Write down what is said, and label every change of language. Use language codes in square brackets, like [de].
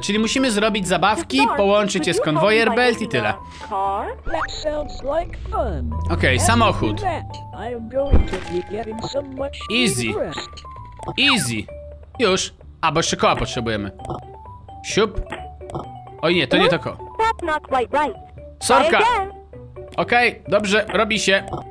[pl] Czyli musimy zrobić zabawki, połączyć je z conveyor belt i tyle. [en] Car? That sounds like fun. [pl] Okej, okay, samochód. [en] I'm going to be getting some much easy. Easy. Już. [pl] A, bo jeszcze koła potrzebujemy. Siup. Oj nie, to nie to koło. [en] That's not quite right. [pl] Sorka. Okej, okay, dobrze, robi się.